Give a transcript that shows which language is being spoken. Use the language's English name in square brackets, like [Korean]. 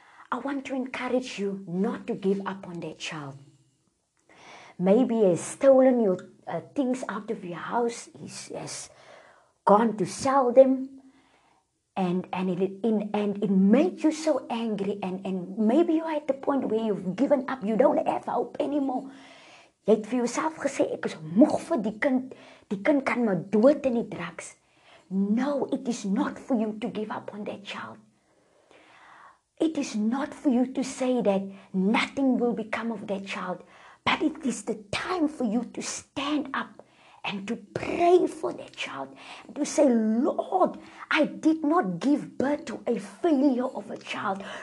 [English] I want to encourage you not to give up on that child. Maybe he has stolen your things out of your house. He has gone to sell them. And it made you so angry. And maybe you are at the point where you've given up. You don't have hope anymore. [Afrikaans] Jy het vir jouself gesê, ek is moeg vir die kind. Die kind kan my dood in die drugs. [English] No, it is not for you to give up on that child. It is not for you to say that nothing will become of that child, but it is the time for you to stand up and to pray for that child, to say, "Lord, I did not give birth to a failure of a child."